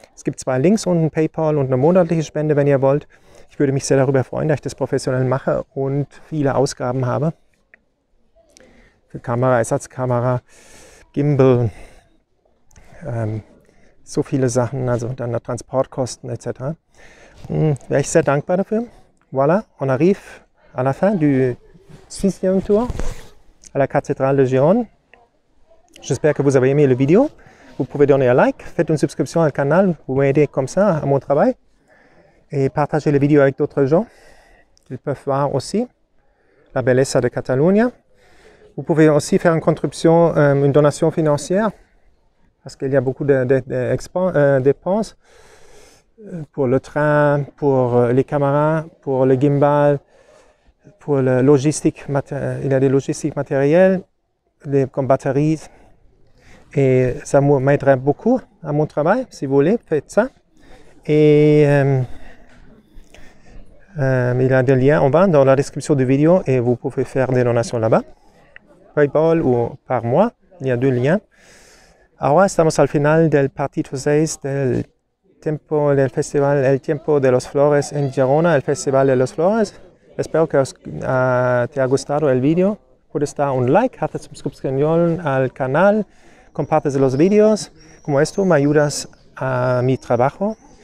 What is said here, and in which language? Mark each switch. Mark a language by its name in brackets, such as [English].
[German] Es gibt zwei Links unten, PayPal und eine monatliche Spende, wenn ihr wollt. Ich würde mich sehr darüber freuen, dass ich das professionell mache und viele Ausgaben habe. Für Kamera, Ersatzkamera, Gimbal, so viele Sachen, also dann der Transportkosten etc. Wäre ich sehr dankbar dafür. [French] Voilà, on arrive à la fin du sixième tour à la cathédrale de Girona. J'espère que vous avez aimé la vidéo. Vous pouvez donner un like, faites une subscription au canal, vous m'aidez comme ça à mon travail. Et partagez la vidéo avec d'autres gens. Ils peuvent voir aussi la bellezza de Catalogne. Vous pouvez aussi faire une contribution, une donation financière, parce qu'il y a beaucoup de dépenses pour le train, pour les caméras, pour le gimbal, pour la logistique. Il y a des logistiques matérielles, comme batteries. Et ça m'aidera beaucoup à mon travail, si vous voulez, faites ça. Et il y a des liens en bas dans la description du vidéo et vous pouvez faire des donations là-bas. PayPal ou par moi, il y a deux liens. [Spanish] Ahora estamos al final del partido 6 del tiempo del festival El Tiempo de los Flores en Girona, el Festival de los Flores. Espero que te haya gustado el vídeo. Puedes dar un like, hacer suscripción al canal. Compartes los vídeos, como esto me ayudas a mi trabajo.